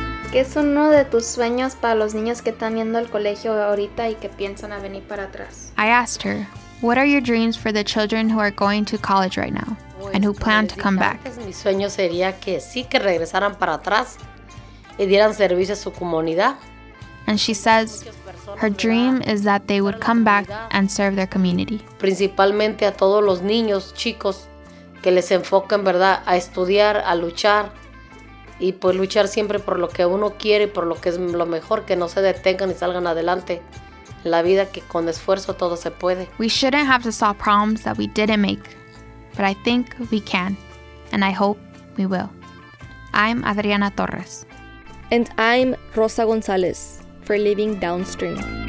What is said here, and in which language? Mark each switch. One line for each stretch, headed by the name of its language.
Spanish: ¿Qué es uno de tus sueños para los niños que están yendo al colegio ahorita y que piensan a venir para atrás?
English: I asked her, what are your dreams for the children who are going to college right now and who plan to come back?
Spanish: Mi sueño sería que sí, que regresaran para atrás y dieran servicio a su comunidad.
English: And she says her dream is that they would come back and serve their community.
Spanish: Principalmente a todos los niños, chicos, que les enfoquen, ¿verdad?, a estudiar, a luchar, y pues luchar siempre por lo que uno quiere, por lo que es lo mejor, que no se detengan y salgan adelante. La vida que con esfuerzo todo se puede.
English: We shouldn't have to solve problems that we didn't make, but I think we can, and I hope we will. I'm Adriana Torres. And I'm Rosa Gonzalez for Living Downstream.